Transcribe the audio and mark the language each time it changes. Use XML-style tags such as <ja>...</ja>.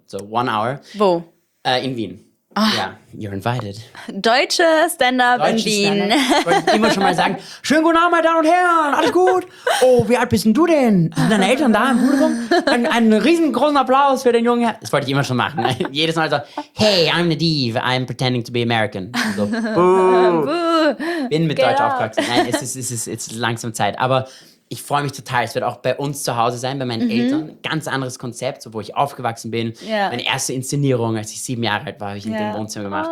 <en>So 1 Hour.</en> <de>Wo? In Wien. Ja, oh.</de> <en>You're invited.</en> <de>Deutsche Stand-Up in Wien. Stand-up. Ich wollte immer schon mal sagen, schönen guten Abend, meine Damen und Herren, alles gut. Oh, wie alt bist du denn? Sind deine Eltern da im Publikum? Einen riesengroßen Applaus für den jungen Herrn. Das wollte ich immer schon machen. Jedes Mal so,</de> <en>hey, I'm Nadeve, I'm pretending to be American. So, Buh.</en> <de>Bin mit Deutsch aufgewachsen. Nein, es ist langsam Zeit. Aber ich freue mich total. Es wird auch bei uns zu Hause sein, bei meinen Eltern. Ganz anderes Konzept, so, wo ich aufgewachsen bin.</de> <en>Yeah.</en> <de>Meine erste Inszenierung, als ich 7 Jahre alt war, habe ich in dem Wohnzimmer gemacht.</de>